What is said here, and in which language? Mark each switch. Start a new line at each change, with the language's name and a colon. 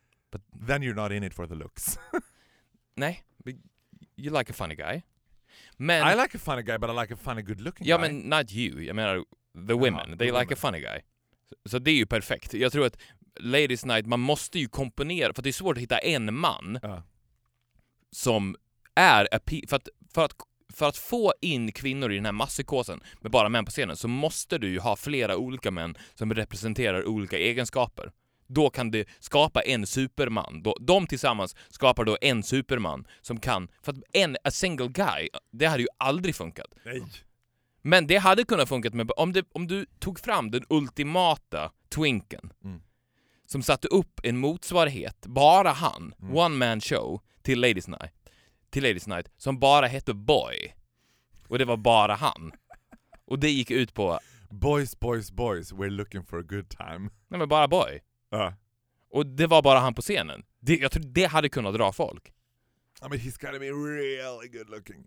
English: But then you're not in it for the looks.
Swedish: Nej.
English: You like a funny guy. Men I like a funny guy, but I like a funny good looking
Swedish: ja,
English: guy.
Swedish: Ja, men
English: not you.
Swedish: Jag menar
English: the women.
Swedish: Jaha,
English: they the like women. A funny guy.
Swedish: Så det är ju perfekt. Jag tror att Ladies Night, man måste ju komponera, för det är svårt att hitta en man som är för att få in kvinnor i den här massikåsen med bara män på scenen, så måste du ju ha flera olika män som representerar olika egenskaper. Då kan du skapa en superman. De tillsammans skapar då en superman som kan, för att
English: a single guy,
Swedish: det hade ju aldrig funkat. Nej. Men det hade kunnat funka med, om du tog fram den ultimata twinken som satte upp en motsvarighet, bara han,
English: one man show
Swedish: till Ladies Night. Till Ladies Night, som bara hette Boy. Och det var bara han. Och det gick ut på...
English: Boys, boys, boys, we're looking for a good time.
Swedish: Nej, men bara Boy. Och det var bara han på scenen. Jag tror det hade kunnat dra folk.
English: I mean, he's gotta be really good looking.